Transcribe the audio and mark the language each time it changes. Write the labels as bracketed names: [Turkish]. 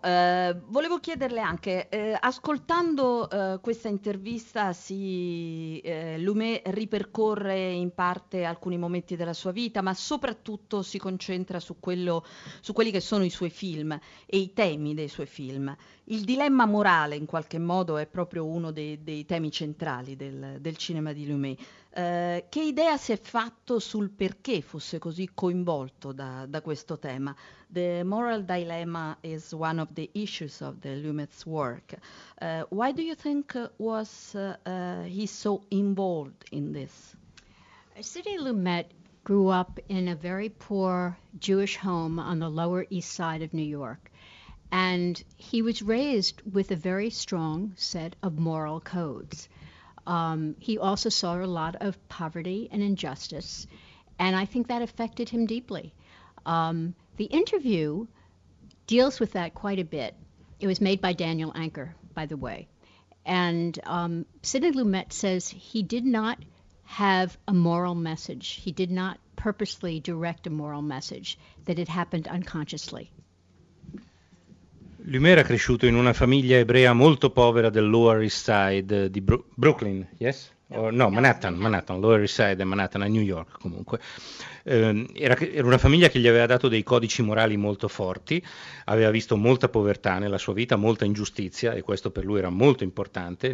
[Italian] Volevo chiederle anche, ascoltando questa intervista, Lumet ripercorre in parte alcuni momenti della sua vita, ma soprattutto si concentra su quelli che sono i suoi film e i temi dei suoi film. Il dilemma morale, in qualche modo, è proprio uno dei temi centrali del cinema di Lumet. Che idea si è fatto sul perché fosse così coinvolto da questo tema? [English] The moral dilemma is one of the issues of the Lumet's work. Why do you think was he so involved in this? Sidney Lumet grew up in a very poor Jewish home on the Lower East Side of New York. And he was raised with a very strong set of moral codes. He also saw a lot of poverty and injustice, and I think that affected him deeply. The interview deals with that quite a bit. It was made by Daniel Anker, by the way. And Sidney Lumet says he did not have a moral message. He did not purposely direct a moral message, that it happened unconsciously. [Italian] Lumet era cresciuto in una famiglia ebrea molto povera del Lower East Side di Brooklyn, yes? Manhattan, Lower East Side e Manhattan, a New York comunque. Era una famiglia che gli aveva dato dei codici morali molto forti, aveva visto molta povertà nella sua vita, molta ingiustizia, e questo per lui era molto importante.